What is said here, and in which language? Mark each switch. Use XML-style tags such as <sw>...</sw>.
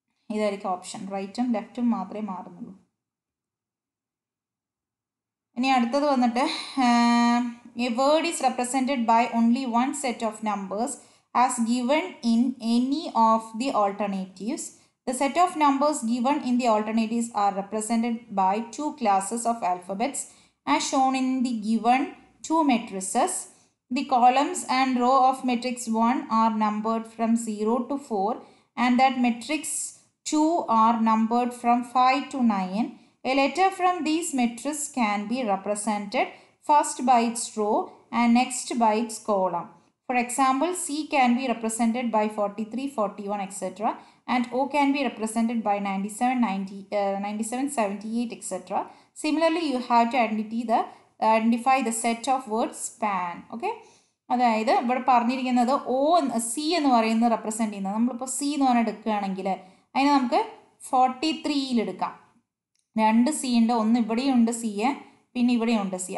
<ml>ഇതായിരിക്കും ഓപ്ഷൻ റൈറ്റും ലെഫ്റ്റും മാത്രമേ മാറുന്നുള്ളൂ ഇനി അടുത്തത് വന്നിട്ട്</ml> <en>A word is represented by only one set of numbers as given in any of the alternatives the set of numbers given in the alternatives are represented by two classes of alphabets as shown in the given two matrices. The columns and row of matrix 1 are numbered from 0 to 4 and that matrix 2 are numbered from 5 to 9. A letter from these matrices can be represented first by its row and next by its column. For example, C can be represented by 43, 41, etc. and O can be represented by 97, 78, etc. Similarly, you have to identify the set of words span. Okay?</en> <ml>അതായത് ഇവിടെ പറഞ്ഞിരിക്കുന്നത് ഓ C എന്ന് പറയുന്നത് represent ചെയ്യുന്നത് നമ്മളിപ്പോൾ C എന്ന് പറഞ്ഞാൽ എടുക്കുകയാണെങ്കിൽ അതിനെ നമുക്ക് 43 എടുക്കാം. രണ്ട് സി ഉണ്ട്, ഒന്ന് ഇവിടെയും ഉണ്ട് സി, പിന്നെ ഇവിടെയും ഉണ്ട് സി.</ml>